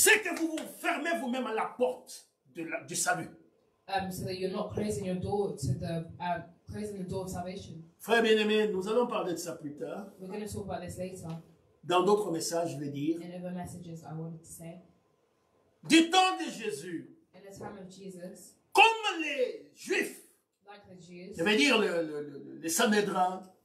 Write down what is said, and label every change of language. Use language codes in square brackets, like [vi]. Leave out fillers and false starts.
[fr] C'est que vous vous fermez vous-même à la porte du salut. [en] So that you're not closing your door to the closing the door of salvation. [fr] Frère bien-aimé, nous allons parler de ça plus tard. [en] We're going to talk about this later. [fr] Dans d'autres messages, je vais dire. [en] In other messages, I wanted to say. [fr] Du temps de Jésus. [en] In the time of Jesus. [fr] Comme les Juifs. [en] Like the Jews. [fr] Je vais dire le Sanhédrin.